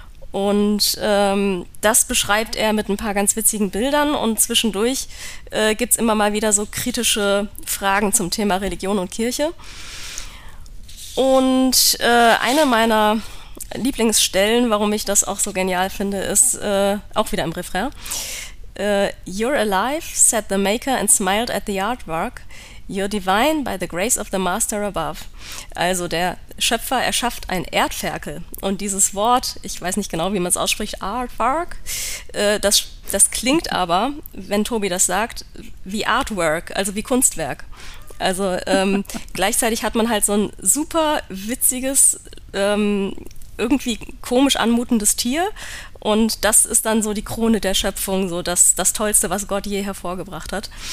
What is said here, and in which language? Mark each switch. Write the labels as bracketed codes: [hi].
[de] Und das beschreibt er mit ein paar ganz witzigen Bildern und zwischendurch gibt es immer mal wieder so kritische Fragen zum Thema Religion und Kirche. Und eine meiner Lieblingsstellen, warum ich das auch so genial finde, ist auch wieder im Refrain. [en] You're alive, said the maker and smiled at the artwork. You're divine by the grace of the master above. [de] Also der Schöpfer erschafft ein Erdferkel. Und dieses Wort, ich weiß nicht genau, wie man es ausspricht, artwork, das klingt aber, wenn Tobi das sagt, wie artwork, also wie Kunstwerk. Also gleichzeitig hat man halt so ein super witziges, irgendwie komisch anmutendes Tier und das ist dann so die Krone der Schöpfung, so das Tollste, was Gott je hervorgebracht hat.